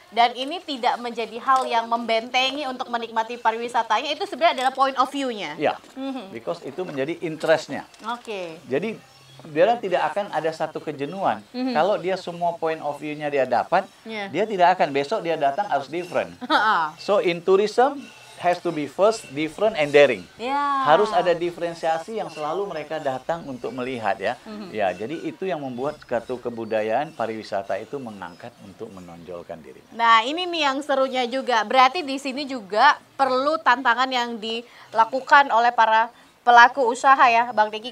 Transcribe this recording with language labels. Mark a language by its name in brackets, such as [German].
[Indonesian] Dan ini tidak menjadi hal yang membentengi untuk menikmati pariwisatanya, itu sebenarnya adalah point of view-nya. Iya, because itu menjadi interest-nya. Oke. Okay. Jadi, dia tidak akan ada satu kejenuhan. Kalau dia semua point of view-nya dia dapat, dia tidak akan. Besok dia datang harus different. [English] So, in tourism, has to be first, different, and daring. [Indonesian] Harus ada diferensiasi yang selalu mereka datang untuk melihat ya. Ya, jadi itu yang membuat satu kebudayaan pariwisata itu mengangkat untuk menonjolkan dirinya. Nah, ini nih yang serunya juga. Berarti di sini juga perlu tantangan yang dilakukan oleh para pelaku usaha ya, Bang Deki.